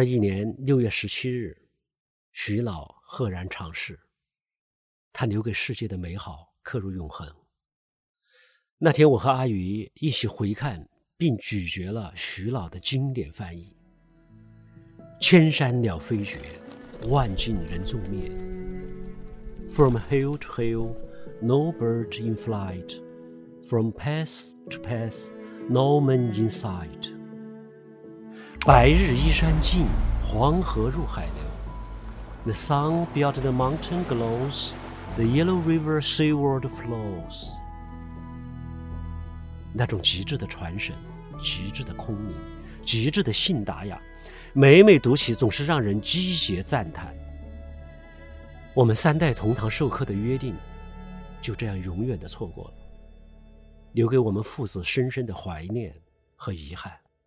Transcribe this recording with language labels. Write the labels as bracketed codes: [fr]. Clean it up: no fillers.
[zh] 2021年6月17日，徐老赫然长逝，他留给世界的美好刻入永恒。那天我和阿余一起回看并咀嚼了徐老的经典翻译。千山鸟飞绝，万径人踪灭。 [en] From hill to hill, no bird in flight. From pass to pass, no man in sight. [zh] 白日依山尽，黄河入海流。 [en] The sun beyond the mountain glows, the yellow river seaward flows. [zh] 那种极致的传神，极致的空灵，极致的信达雅，每每读起总是让人击节赞叹。我们3代同堂授课的约定，就这样永远的错过了，留给我们父子深深的怀念和遗憾。